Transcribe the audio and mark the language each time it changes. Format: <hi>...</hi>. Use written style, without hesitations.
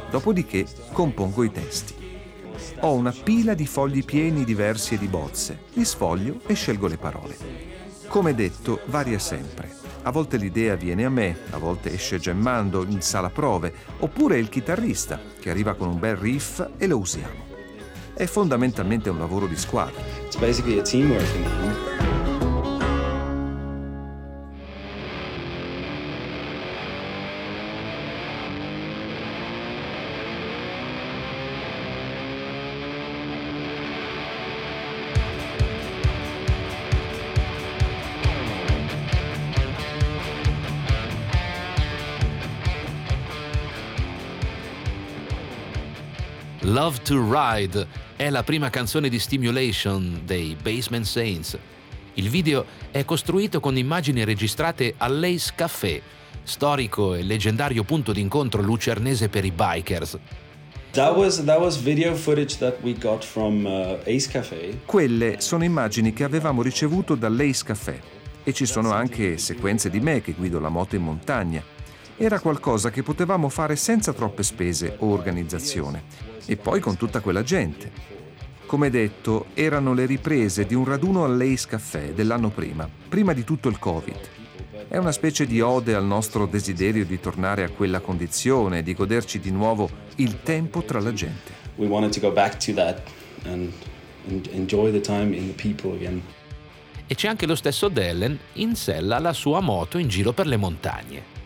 <it>Dopodiché compongo i testi. Ho una pila di fogli pieni di versi e di bozze. Li sfoglio e scelgo le parole. Come detto, varia sempre. A volte l'idea viene a me, a volte esce gemmando in sala prove, oppure il chitarrista che arriva con un bel riff e lo usiamo. È fondamentalmente un lavoro di squadra.</it> <en>It's basically a teamwork thing.</en> <it>Love to Ride è la prima canzone di Stimulation dei Basement Saints. Il video è costruito con immagini registrate all'Ace Café, storico e leggendario punto d'incontro lucernese per i bikers.</it> <en>That was video footage that we got from Ace Café.</en> <it>Quelle sono immagini che avevamo ricevuto dall'Ace Café. E ci sono anche sequenze di me che guido la moto in montagna. Era qualcosa che potevamo fare senza troppe spese o organizzazione. E poi con tutta quella gente. Come detto, erano le riprese di un raduno all'Ace Café dell'anno prima di tutto il Covid. È una specie di ode al nostro desiderio di tornare a quella condizione, di goderci di nuovo il tempo tra la gente.</it> <en>We wanted to go back to that and enjoy the time in the people again.</en> <it>E c'è anche lo stesso Dellen in sella alla sua moto in giro per le montagne.</it>